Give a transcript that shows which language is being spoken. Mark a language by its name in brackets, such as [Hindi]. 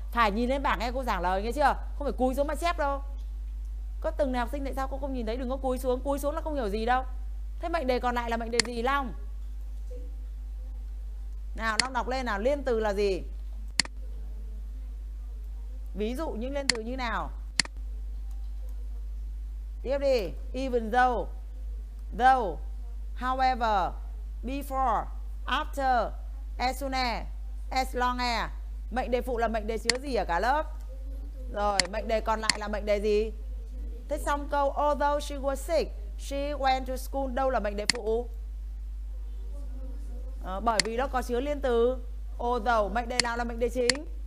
[Vietnamese] Phải nhìn lên bảng nghe cô giảng lời nghe chưa? Không phải cúi xuống mà chép đâu. Có từng nào học sinh tại sao cô không nhìn thấy? Đừng có cúi xuống, cúi xuống là không hiểu gì đâu. Thế mệnh đề còn lại là mệnh đề gì Long? Nào Long đọc lên nào, liên từ là gì? Ví dụ những liên từ như nào? Tiếp đi. [English] Even though, though, however, before, after, as soon as long as. [Vietnamese] Mệnh đề phụ là mệnh đề chứa gì ở cả lớp? Rồi mệnh đề còn lại là mệnh đề gì? Thế xong câu [English] although she was sick, She went to school. [Vietnamese] Đâu là mệnh đề phụ? Bởi vì nó có chứa liên từ although. Mệnh đề nào là mệnh đề chính?